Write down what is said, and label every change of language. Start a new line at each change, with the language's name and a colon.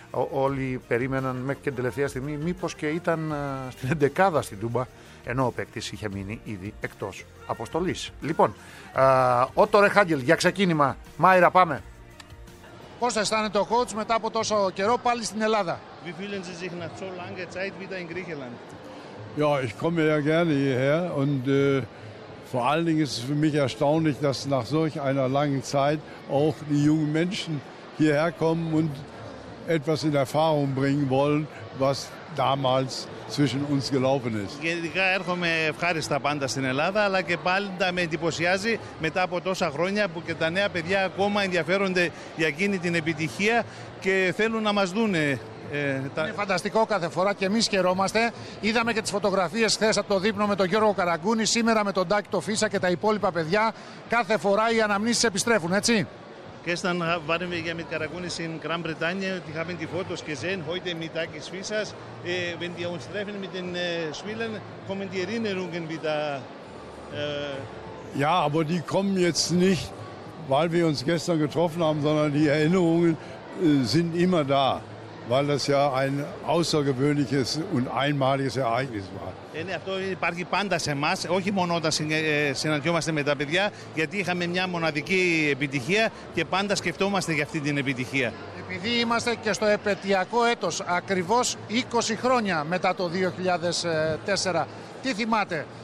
Greek: Όλοι περίμεναν μέχρι και την τελευταία στιγμή μήπως και ήταν στην εντεκάδα στην Τούμπα, ενώ ο παίκτης είχε μείνει ήδη εκτός αποστολής. Λοιπόν, Ότο Ρεχάγγελ για ξεκίνημα. Μάιρα, πάμε. Πώς αισθάνεται ο coach μετά από τόσο καιρό πάλι στην Ελλάδα?
German: Wie fühlen Sie sich nach so langer Zeit wieder in Griechenland? Ja, ich komme ja gerne hierher und vor allen Dingen ist es für mich erstaunlich, dass nach solch einer langen Zeit auch die jungen Menschen hierher kommen und etwas in Erfahrung bringen wollen, was damals zwischen uns gelaufen ist.
Greek: Γενικά έρχομαι ευχάριστα πάντα στην Ελλάδα, αλλά και πάντα με εντυπωσιάζει μετά από τόσα χρόνια που και τα νέα παιδιά ακόμα ενδιαφέρονται για εκείνη την επιτυχία και θέλουν να μας δούνε. Είναι φανταστικό κάθε φορά και εμείς χαιρόμαστε. Είδαμε και τις φωτογραφίες χθες από το δείπνο με τον Γιώργο Καραγκούνη, σήμερα με τον Τάκη, τον Φίσα και τα υπόλοιπα παιδιά. Κάθε φορά οι αναμνήσεις επιστρέφουν, έτσι.
German: Gestern waren wir ja mit Karagouni in Gran Bretagne und die haben die Fotos gesehen. Heute mit Takis Fissas, wenn wir uns treffen mit den Spielern, kommen die Erinnerungen wieder. Ja, aber die kommen jetzt nicht, weil wir uns gestern getroffen haben, sondern die Erinnerungen sind immer da, weil das ja ein außergewöhnliches und einmaliges Ereignis war.
Greek: Αυτό υπάρχει πάντα σε εμάς, όχι μόνο όταν συναντιόμαστε με τα παιδιά, γιατί είχαμε μια μοναδική επιτυχία και πάντα σκεφτόμαστε για αυτή την επιτυχία. Επειδή είμαστε και στο επετειακό έτος, ακριβώς 20 χρόνια μετά το 2004, τι θυμάται?